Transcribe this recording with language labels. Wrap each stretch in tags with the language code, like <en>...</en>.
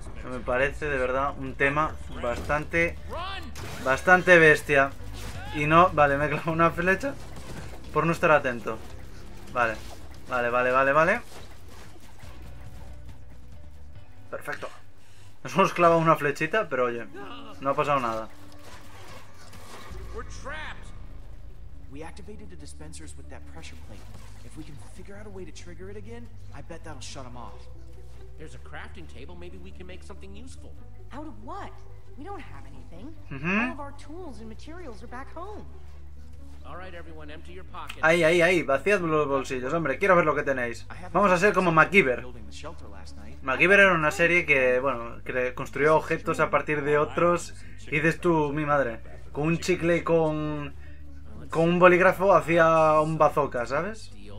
<es>Me parece de verdad un tema bastante, bastante bestia. Y no, vale, me he clavado una flecha por no estar atento. Vale. Perfecto. Nos hemos clavado una flechita, pero oye, no ha pasado nada.</es> <en>We activated the dispensers with that pressure plate. If we can figure out a way to trigger it again, I bet that'll shut them off. There's a crafting table, maybe we can make something useful. Out of what? We don't have anything. Mm-hmm. All of our tools and materials are back home. All right, everyone, empty your pockets.</en> <es>Ahí, vaciad los bolsillos, hombre, quiero ver lo que tenéis. Vamos a ser como MacGyver. MacGyver era una serie que, bueno, que construyó objetos a partir de otros. Y dices tú, mi madre, con un chicle y con un bolígrafo hacía un bazooka, ¿sabes?</es>